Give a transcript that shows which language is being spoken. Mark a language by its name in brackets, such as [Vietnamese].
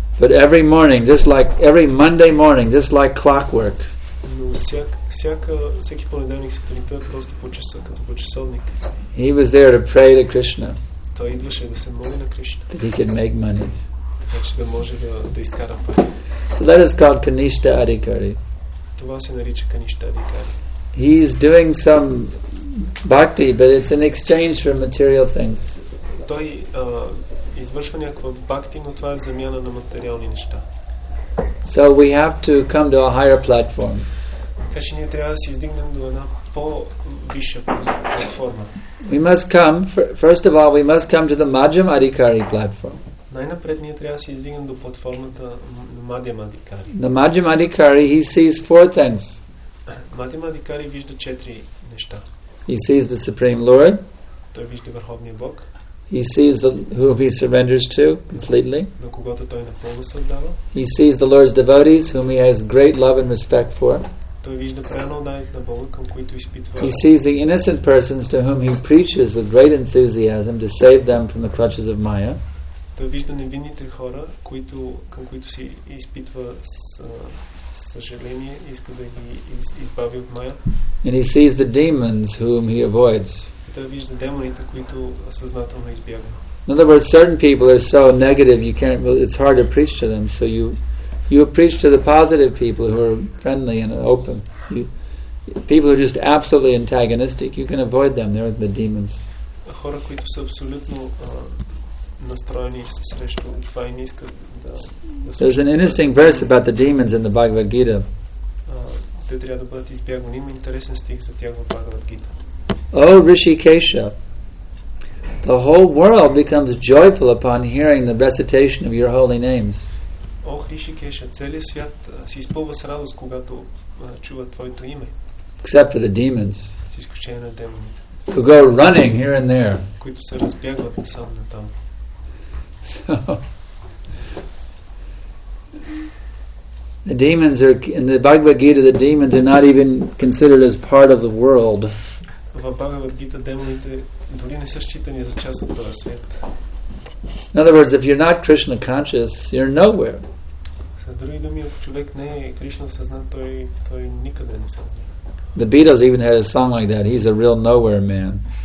[English] But every morning, just like every Monday morning, just like clockwork. [Bulgarian] Но всеки понеделник сутринта просто по часа, като по часовник. [English] He was there to pray to Krishna. [Bulgarian] Той идваше да се моли на Кришна. [English] That he could make money. [Bulgarian] Така че да може да изкара пари. [English] So that is called Kanishta Adhikari. [Bulgarian] Това се нарича Kanishta Adhikari. [English] He is doing some bhakti, but it's in exchange for material things. [Bulgarian] Той извършва някаква бхакти, но това е в замяна на материални неща. [English] So we have to come to a higher platform. [Bulgarian] Така че ние трябва да се издигнем до една по-висша платформа. [English] We must come, first of all, we must come to the Madhyam Adhikari platform. [Bulgarian] Най-напред ние трябва да се издигнем до платформата Madhyam Adhikari. [English] The Madhyam Adhikari, he sees four things. [Bulgarian] Madhyam Adhikari вижда четири неща. [English] He sees the Supreme Lord. [Bulgarian] Той вижда Върховния Бог. [English] He sees the, whom he surrenders to completely. [Bulgarian] На когото той напълно се отдава. [English] He sees the Lord's devotees, whom he has great love and respect for. [Bulgarian] Той вижда преданите на Бога, към които изпитва. [English] He sees the innocent persons to whom he preaches with great enthusiasm to save them from the clutches of Maya. [Bulgarian] Той вижда невинните хора, които, към които си изпитва съжаление, иска да ги избави от Мая. [English] And he sees the demons whom he avoids. [Bulgarian] Той вижда демоните, които съзнателно избяга. [English] In other words, certain people are so negative, you can't, well, it's hard to preach to them, so you preach to the positive people who are friendly and open. You, people who are just absolutely antagonistic, you can avoid them, they're the demons. [Bulgarian] Хора, които са абсолютно настроени срещу това и не искат да... [English] There's an interesting verse about the demons in the Bhagavad Gita. [Bulgarian] Те трябва да бъдат избягвани. Има интересен стих за тях в Bhagavad Gita. [English] O Rishikesha, the whole world becomes joyful upon hearing the recitation of your holy names. [Bulgarian] O Rishikesha, целият свят се изпълва с радост, когато чува твоето име. [English] Except for the demons. [Bulgarian] С изключение на демоните. [English] Who go running here and there. [Bulgarian] Които се разбягват насам на там. [English] So, the demons are in the Bhagavad Gita. The demons are not even considered as part of the world. [Bulgarian] В Bhagavad Gita демоните дори не са считани за част от този свят. [English] In other words, if you're not Krishna conscious, you're nowhere. [Bulgarian] С други думи, ако човек не е Кришна съзнат, той никъде не се намира. [English] The Beatles even had a song like that. He's a real nowhere man.